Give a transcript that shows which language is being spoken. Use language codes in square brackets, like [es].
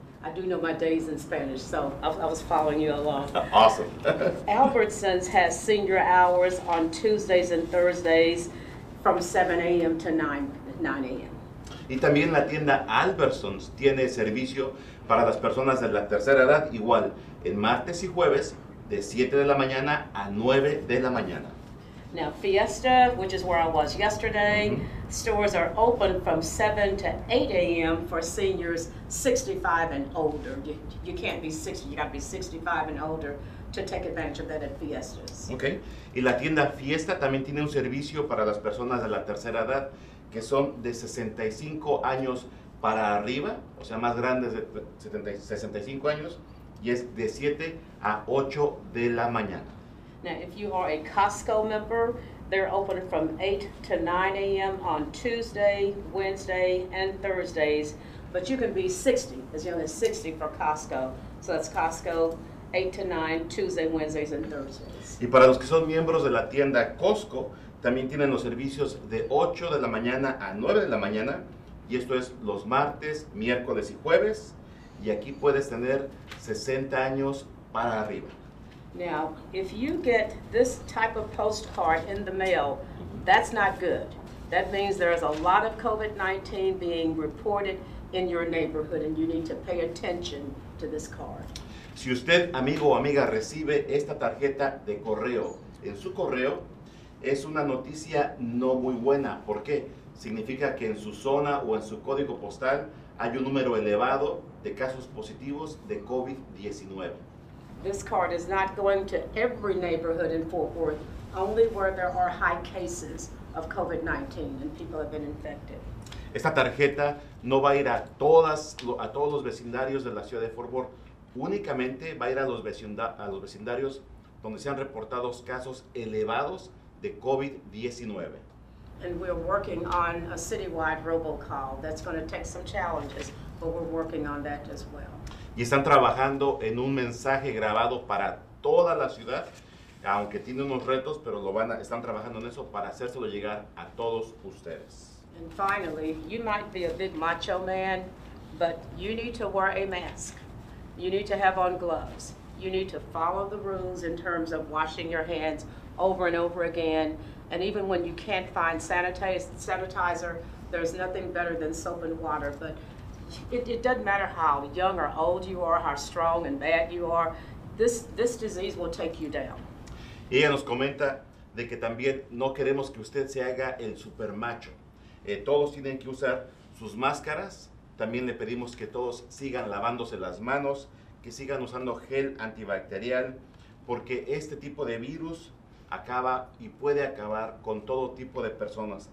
[en] I do know my days in Spanish, so I was following you along. Awesome. Albertsons has senior hours on Tuesdays and Thursdays from 7 a.m. to 9 a.m. [es] Y también la tienda Albertsons tiene servicio para las personas de la tercera edad, igual, en martes y jueves, de 7 de la mañana a 9 de la mañana. [en] Now, Fiesta, which is where I was yesterday, mm-hmm. stores are open from 7 to 8 a.m. for seniors 65 and older. You can't be 60, you got to be 65 and older to take advantage of that at Fiestas. Okay. [es] Y la tienda Fiesta también tiene un servicio para las personas de la tercera edad, que son de 65 años para arriba, o sea, más grandes de 65 años, y es de 7 a 8 de la mañana. [en] Now, if you are a Costco member, they're open from 8 to 9 a.m. on Tuesday, Wednesday, and Thursdays, but you can be 60, as young as 60 for Costco. So that's Costco, 8 to 9, Tuesday, Wednesdays, and Thursdays. [es] Y para los que son miembros de la tienda Costco, también tienen los servicios de 8 de la mañana a 9 de la mañana, y esto es los martes, miércoles y jueves, y aquí puedes tener 60 años para arriba. [en] Now, if you get this type of postcard in the mail, that's not good. That means there is a lot of COVID-19 being reported in your neighborhood, and you need to pay attention to this card. [es] Si usted, amigo o amiga, recibe esta tarjeta de correo en su correo, es una noticia no muy buena. ¿Por qué? Significa que en su zona o en su código postal hay un número elevado de casos positivos de COVID-19. [en] This card is not going to every neighborhood in Fort Worth, only where there are high cases of COVID-19 and people have been infected. [es] Esta tarjeta no va a ir a todos los vecindarios de la ciudad de Fort Worth. Únicamente va a ir a los vecindarios donde se han reportado casos elevados de COVID-19. [en] And we're working on a citywide robocall. That's going to take some challenges, but we're working on that as well. [es] Y están trabajando en un mensaje grabado para toda la ciudad, aunque tiene unos retos, pero están trabajando en eso para hacérselo llegar a todos ustedes. [en] And finally, you might be a big macho man, but you need to wear a mask. You need to have on gloves. You need to follow the rules in terms of washing your hands over and over again. And even when you can't find sanitizer, there's nothing better than soap and water. But it doesn't matter how young or old you are, how strong and bad you are, this disease will take you down. [es] Ella nos comenta de que también no queremos que usted se haga el supermacho. Todos tienen que usar sus máscaras. También le pedimos que todos sigan lavándose las manos, que sigan usando gel antibacterial, porque este tipo de virus acaba y puede acabar con todo tipo de personas.